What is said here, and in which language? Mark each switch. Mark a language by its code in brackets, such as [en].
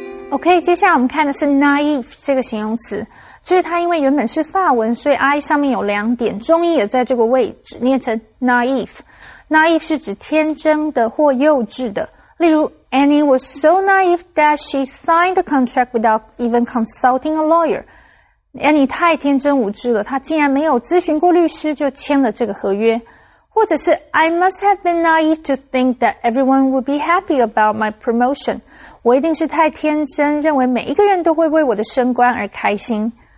[zh] Okay, 接下来我们看的是 naive 这个形容词，就是它因为原本是法文，所以 I 上面有两点，中音也在这个位置，念成 naive。 [en] Naive [zh] 是指天真的或幼稚的，例如 [en] Annie was so naive that she signed the contract without even consulting a lawyer. [zh] Annie 太天真无知了，她竟然没有咨询过律师就签了这个合约。或者是 [en] I must have been naive to think that everyone would be happy about my promotion. [zh] 我一定是太天真，认为每一个人都会为我的升官而开心。